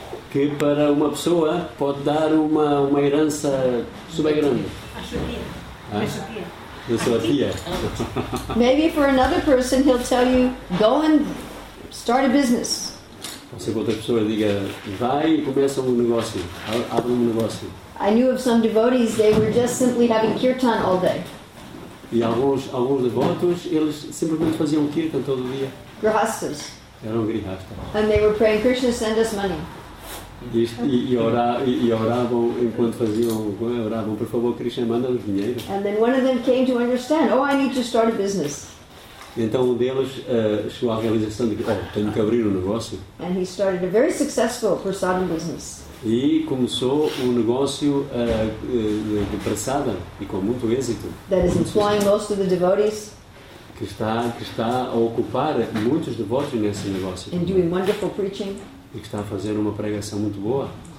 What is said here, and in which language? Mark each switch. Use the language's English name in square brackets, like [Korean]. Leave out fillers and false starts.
[Portuguese] Que para uma pessoa pode dar uma herança super grande. A sua tia. [English] Maybe for another person, he'll tell you, go and start a business. [Portuguese] Se outra pessoa diga, vai e começa um negócio, abre um negócio. [English] I knew of some devotees, they were just simply having kirtan all day. [Portuguese] E alguns devotos, eles simplesmente faziam kirtan todo o dia. [English] Grihastas. [Portuguese] Eram grihastas. [English] And they were praying, Krishna, send us money. [Portuguese] E oravam enquanto faziam, oravam, por favor, Krishna, manda-nos dinheiro. [English] And then one of them came to understand, oh, I need to start a business. [Portuguese] Então um deles chegou à realização de que tenho que abrir um negócio. [English] And he started a very successful prasada business. [Portuguese] E começou um negócio de prasada e com muito êxito. [English] That is employing most of the devotees. [Portuguese] Que está a ocupar muitos devotos nesse negócio. [English] And doing wonderful preaching. [Portuguese] E que está a fazer uma pregação muito boa.